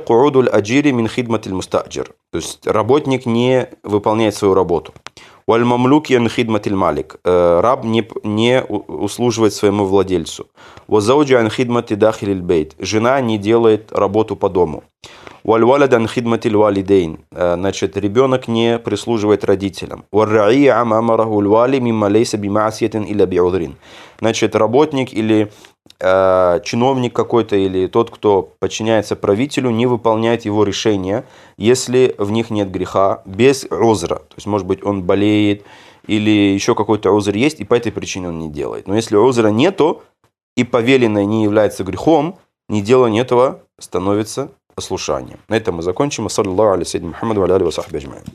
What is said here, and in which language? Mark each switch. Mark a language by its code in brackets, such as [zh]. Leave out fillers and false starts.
[ar] Куудуль аджири мин хидматиль мустаджир. [ru] То есть работник не выполняет свою работу. [ar] Валь мамлюки мин хидматиль малик. [ru] Раб не услуживает своему владельцу. [ar] Ва зауджи мин хидмати дахилиль бейт. [ru] Жена не делает работу по дому. [ar] والولد عن خدمة الوالدين، [ru] значит ребенок не прислуживает родителям. [ar] والرعيه عما امره الوالي مما ليس بمعصية الا بعذر. [ru] Значит, работник или чиновник какой-то, или тот, кто подчиняется правителю, не выполняет его решения, если в них нет греха, без узра. То есть, может быть, он болеет, или еще какой-то узр есть, и по этой причине он не делает. Но если узра нету, и повеленное не является грехом, неделание этого становится послушанием. На этом мы закончим. Ассаляму алейкум, Мухаммад, алейкум ассалям.